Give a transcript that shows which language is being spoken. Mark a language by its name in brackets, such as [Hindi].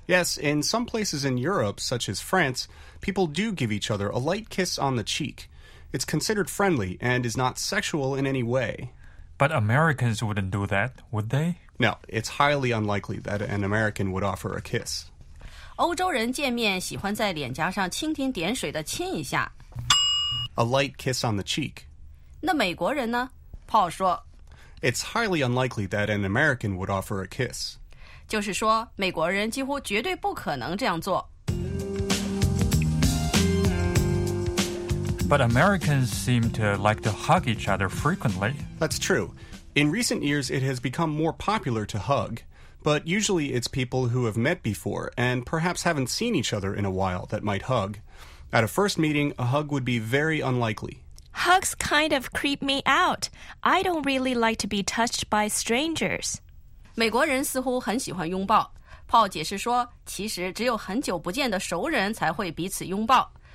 [English] Yes, in some places in Europe, such as France, people do give each other a light kiss on the cheek. It's considered friendly and is not sexual in any way. But Americans wouldn't do that, would they? No, it's highly unlikely that an American would offer a kiss. [Chinese] 欧洲人见面喜欢在脸颊上蜻蜓点水地亲一下。 [English] A light kiss on the cheek. [Chinese] 那美国人呢？Paul 说。 [English] It's highly unlikely that an American would offer a kiss. [Chinese] 就是说，美国人几乎绝对不可能这样做。 [English] But Americans seem to like to hug each other frequently. That's true. In recent years, it has become more popular to hug. But usually it's people who have met before and perhaps haven't seen each other in a while that might hug. At a first meeting, a hug would be very unlikely. Hugs kind of creep me out. I don't really like to be touched by strangers. [Chinese] 美国人似乎很喜欢拥抱。Paul 解释说，其实只有很久不见的熟人才会彼此拥抱。